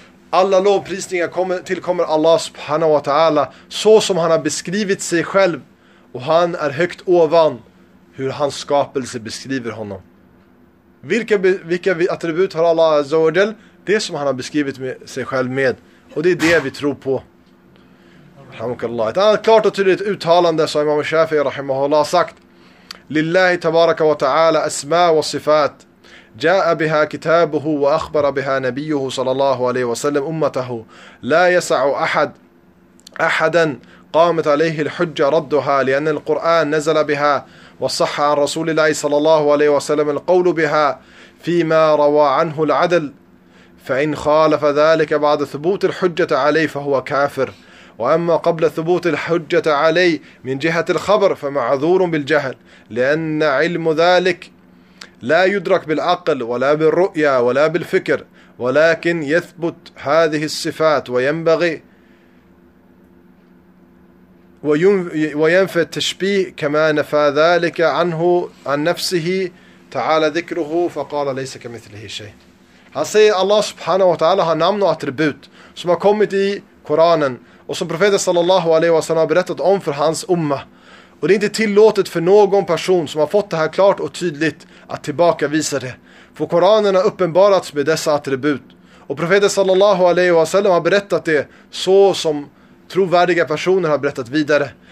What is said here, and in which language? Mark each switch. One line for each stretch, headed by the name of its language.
Swedish: Alla lovprisningar tillkommer Allah subhanahu wa ta'ala, så som han har beskrivit sig själv, och han är högt ovan hur hans skapelse beskriver honom. Vilka attribut har Allah azza wa jalla? Det som han har beskrivit sig själv med, och det är det vi tror på. Alhamdulillah. Ett annat klart och tydligt uttalande som Imam Shafi'i rahimahullah sagt:
Arabic: lillahi tabaraka wa ta'ala asma wa sifat جاء بها كتابه وأخبر بها نبيه صلى الله عليه وسلم أمته لا يسع أحدا قامت عليه الحجة ردها، لأن القرآن نزل بها وصح عن رسول الله صلى الله عليه وسلم القول بها فيما روى عنه العدل، فإن خالف ذلك بعد ثبوت الحجة عليه فهو كافر، وأما قبل ثبوت الحجة عليه من جهة الخبر فمعذور بالجهل، لأن علم ذلك لا يدرك بالعقل ولا بالرؤية ولا بالفكر، ولكن يثبت هذه الصفات وينبغي وينفي التشبيه كما نفى ذلك عنه عن نفسه تعالى ذكره فقال ليس كمثله شيء.
Swedish: Han säger: Allah subhanahu wa ta'ala har namn och attribut som har kommit i Koranen och som profeten sallallahu alaihi wa sallam har berättat om för hans umma. Och det är inte tillåtet för någon person som har fått det här klart och tydligt att tillbakavisa det. För Koranen har uppenbarats med dessa attribut. Och profeten sallallahu alaihi wa sallam har berättat det så som trovärdiga personer har berättat vidare.